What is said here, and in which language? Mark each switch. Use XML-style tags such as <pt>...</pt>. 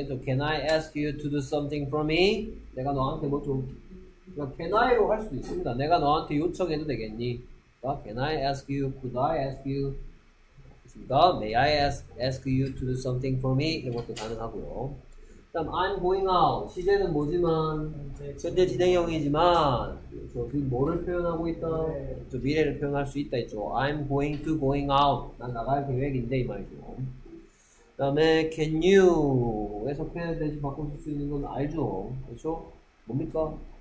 <en>Can I ask you to do something for me?</en> <ko>내가 너한테 뭐 좀, 그냥 can I로 할 수도 있습니다. 내가 너한테 요청해도 되겠니?</ko> <en>Can I ask you? Could I ask you? 있습니다. May I ask you to do something for me?</en> <ko>이런 것도 가능하고요. 다음,</ko> <en>I'm going out.</en> <ko>시제는 뭐지만, 현재 진행형이지만, 그 뭐를 표현하고 있다? 저 미래를 표현할 수 있다 했죠.</ko> <en>I'm going out.</en> <ko>난 나갈 계획인데, 이 말이죠. 그 다음에 can you 해석해야 되지 바꿀 수 있는 건 알죠. 그렇죠? 뭡니까?</ko>